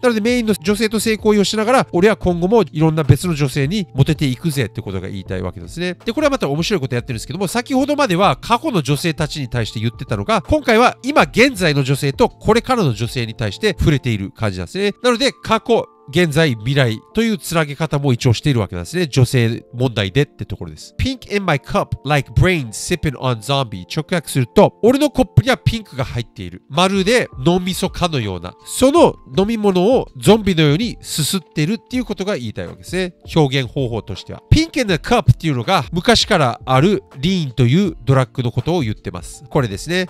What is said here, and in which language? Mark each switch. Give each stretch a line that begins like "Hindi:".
Japanese: なのでメインの女性と性行為をしながら、俺は今後もいろんな別の女性にモテていくぜってことが言いたいわけですね。で、これはまた面白いことやってるんですけども、先ほどまでは過去の女性たちに対して言ってたのが、今回は今現在の女性とこれからの女性に対して触れている感じなんですね。なので過去、現在、未来というつなげ方も一応しているわけなんですね。女性問題でってところです。
English: Pink in my cup, like brain sipping on zombie.
Japanese: 直訳すると、俺のコップにはピンクが入っている。まるで脳みそかのような。その飲み物をゾンビのようにすすってるっていうことが言いたいわけですね。表現方法としては。
English: Pink in the cup
Japanese: っていうのが昔からあるリーンというドラッグのことを言ってます。これですね。